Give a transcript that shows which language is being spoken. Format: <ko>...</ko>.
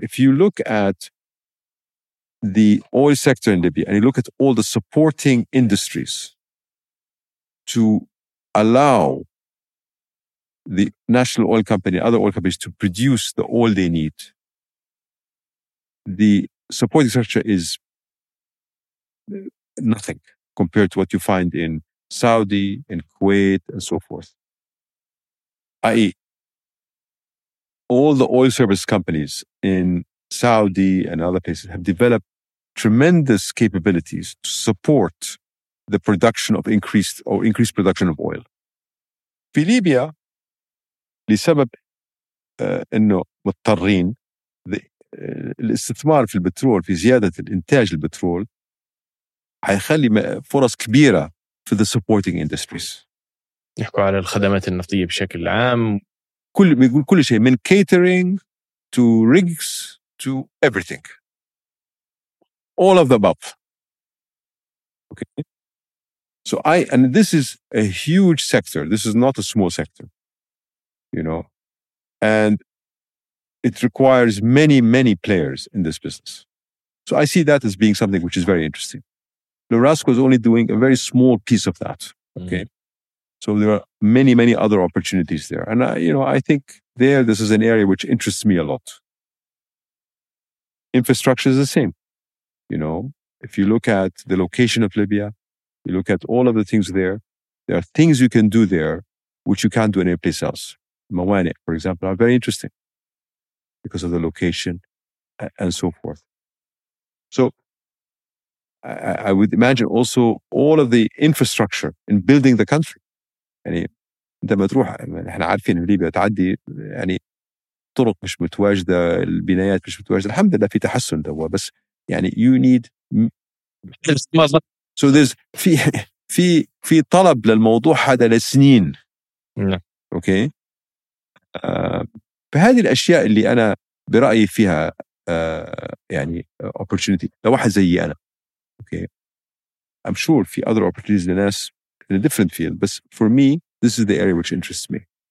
<en>If you look at the oil sector in Libya and you look at all the supporting industries to allow the national oil company and other oil companies to produce the oil they need, the supporting structure is nothing compared to what you find in Saudi, in Kuwait, and so forth. I.e., all the oil service companies in Saudi and other places have developed tremendous capabilities to support the production of increased production of oil.</en> <ar>في ليبيا لسبب إنه مضطرين الاستثمار في البترول، في زيادة الإنتاج البترول، هيخلي فرص كبيرة في</ar> <en>the supporting industries.</en> <ar>يحكوا على الخدمات النفطية بشكل عام، كل بيقول كل شيء من</ar> <en>catering to rigs to everything, all of the above. Okay, so I, and this is a huge sector, this is not a small sector, you know, and it requires many, many players in this business. So I see that as being something which is very interesting. Lorasco is only doing a very small piece of that. Okay. Mm. So there are many, many other opportunities there. And I think there, this is an area which interests me a lot. Infrastructure is the same. You know, if you look at the location of Libya, you look at all of the things there, there are things you can do there which you can't do any place else. Mawane, for example, are very interesting because of the location and so forth. So I would imagine also all of the infrastructure in building the country.</en> <ar>يعني انت ما تروح احنا عارفين ليبيا تعدي يعني طرق مش متواجده البنايات مش متواجده الحمد لله في تحسن دوا بس يعني</ar> <en>you need so there's</en> <ar>في في في طلب للموضوع هذا لسنين اوكي فهذه الاشياء اللي انا برايي فيها يعني opportunity لو واحد زيي انا اوكي</ar> <en>I'm sure</en> <ar>في</ar> <en>other opportunities</en> <ar>للناس</ar> <en>in a different field, but for me, this is the area which interests me.</en>